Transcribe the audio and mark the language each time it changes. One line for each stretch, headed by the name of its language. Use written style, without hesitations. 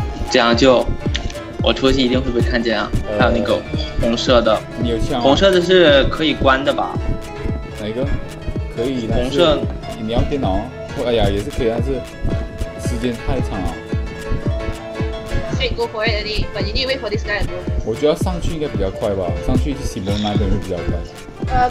Chinese: 这样就我出去一定会被看见啊！还有那个红色的，你有枪吗？红色的是可以关的吧？哪一个？可以，红色，你要电脑、哦？哎呀，也是可以，但是时间太长了。
English: Hey, go for it, Eddie, but you need to wait for this guy to
Chinese: go. 我觉得上去应该比较快吧，上去去西蒙那边会比较快。